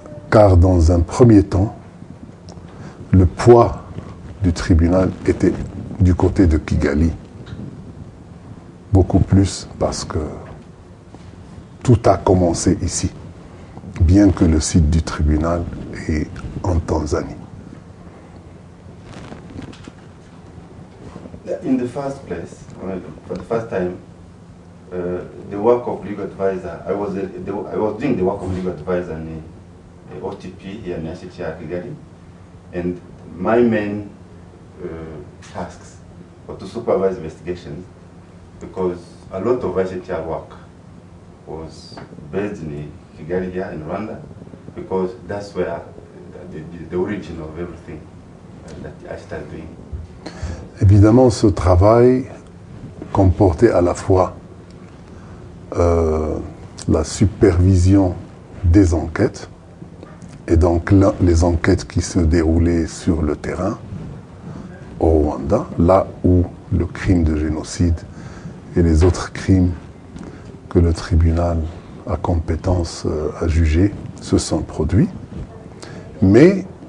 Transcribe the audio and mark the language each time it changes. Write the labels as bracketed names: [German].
[French] Car dans un premier temps, le poids du tribunal était du côté de Kigali. Beaucoup plus parce que tout a commencé ici, bien que le site du tribunal est en Tanzanie. [English] In the first place, for the first time, the work of legal advisor, I was doing the work of legal advisor in the OTP here in ICTR Kigali, and my main tasks were to supervise investigations. Because a lot of ICTR work was based in Kigali here in Rwanda, because that's where the origin of everything that I started doing. [French] Évidemment, ce travail comportait à la fois la supervision des enquêtes, et donc les enquêtes qui se déroulaient sur le terrain au Rwanda, là où le crime de génocide et les autres crimes que le tribunal a compétence à juger se sont produits. Mais